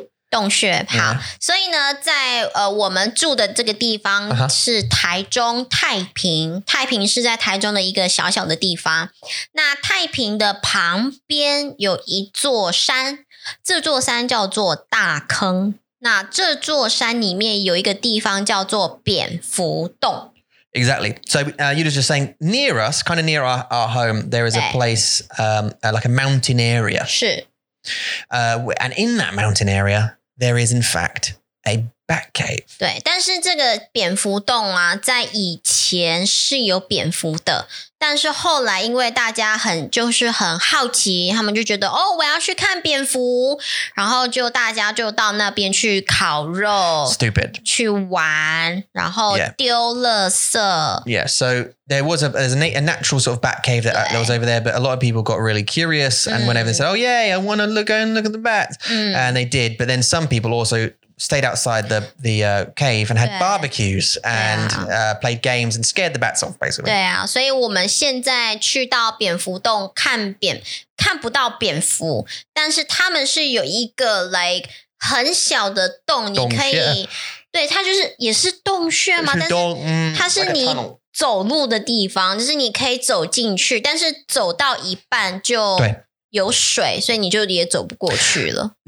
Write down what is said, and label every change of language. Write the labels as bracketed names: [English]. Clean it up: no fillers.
[Chinese] 洞穴好、嗯、所以呢在我们住的这个地方是台中太平、uh-huh. 太平是在台中的一个小小的地方那太平的旁边有一座山这座山叫做大坑那这座山里面有一个地方叫做蝙蝠洞 [English] Exactly. So you're just saying near us, kind of near our home, there is a place, like a mountain area. [Chinese] 是 [English] And in that mountain area, there is in fact a bat cave. [Chinese] 对，但是这个蝙蝠洞啊，在以前是有蝙蝠的，但是后来因为大家很好奇，他们就觉得哦，我要去看蝙蝠，然后就大家就到那边去烤肉 [English] ，stupid， [Chinese] 去玩，然后丢垃圾。 [English] Yeah, so there was a natural sort of bat cave that was over there, but a lot of people got really curious and went over and said, "Oh, yay! I want to go and look at the bats." And they did, but then some people also. Stayed outside the cave and had barbecues and played games and scared the bats off, basically. [Chinese] 对啊，所以我们现在去到蝙蝠洞看不到蝙蝠，但是他们是有一个 like 很小的洞，你可以对它就是也是洞穴嘛，但是它是你走路的地方，就是你可以走进去，但是走到一半就有水，所以你就也走不过去了。